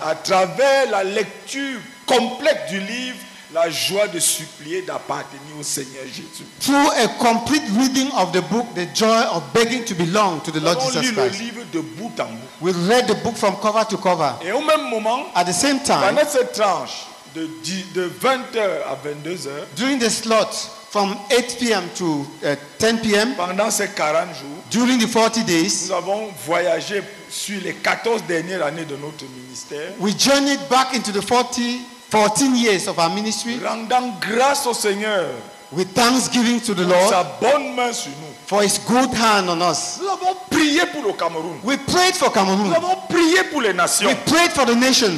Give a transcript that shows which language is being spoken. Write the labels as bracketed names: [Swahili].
[French] à travers la lecture complète du livre La joie de supplier d'appartenir au Seigneur Jésus. [English] Through a complete reading of the book, The Joy of Begging to Belong to the Lord Jesus Christ. [French] On lit le livre de bout en bout. [English] We read the book from cover to cover. [French] Et au même moment, [English] at the same time, [French] pendant cette tranche de 20h à 22h, [English] during the slot from 8 p.m. to 10 p.m., [French] pendant ces 40 jours, [English] during the 40 days, [French] nous avons voyagé sur les 14 dernières années de notre ministère. [English] We journeyed back into the 14 years of our ministry, [French] rendant grâce au Seigneur, [English] with thanksgiving to the Lord, [French] sa bonne main sur nous, [English] for his good hand on us. [French] Nous avons prié pour le Cameroun. [English] We prayed for Cameroon. [French] Nous avons prié pour les nations. [English] We prayed for the nations.